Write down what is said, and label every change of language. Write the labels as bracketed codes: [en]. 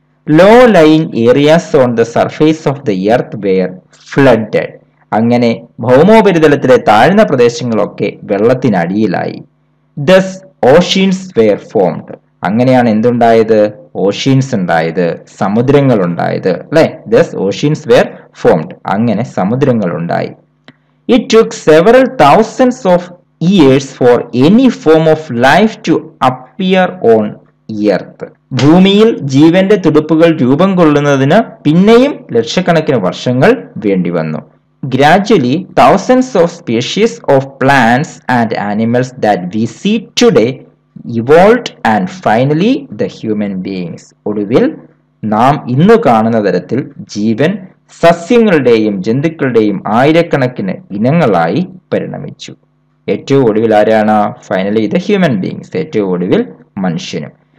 [en] Low lying areas on the surface of the earth were flooded. [ml] അങ്ങനെ ഭൗമോപരിതലത്തിലെ താഴ്ന്ന പ്രദേശങ്ങളൊക്കെ വെള്ളത്തിനടിയിലായി. [en] Thus oceans were formed. [ml] അങ്ങനെയാണ് എന്തുണ്ടായത്? ഓഷീൻസ് ഉണ്ടായത്, സമുദ്രങ്ങൾ ഉണ്ടായത് അല്ലെ. [en] Thus oceans were formed. [ml] അങ്ങനെ സമുദ്രങ്ങൾ ഉണ്ടായി. [en] It took several thousands of years for any form of life to appear on earth. [ml] ഭൂമിയിൽ ജീവന്റെ തുടിപ്പുകൾ രൂപം കൊള്ളുന്നതിന് പിന്നെയും ലക്ഷക്കണക്കിന് വർഷങ്ങൾ വേണ്ടി വന്നു. [en] Gradually, thousands of species of plants and animals that we see today evolved and finally the human beings. [ml] ഒടുവിൽ നാം ഇന്ന് കാണുന്ന തരത്തിൽ ജീവൻ സസ്യങ്ങളുടെയും ജന്തുക്കളുടെയും ആയിരക്കണക്കിന് ഇനങ്ങളായി പരിണമിച്ചു. ഏറ്റവും ഒടുവിൽ ആരാണ്? [en] finally the human beings, [ml] ഏറ്റവും ഒടുവിൽ മനുഷ്യനും.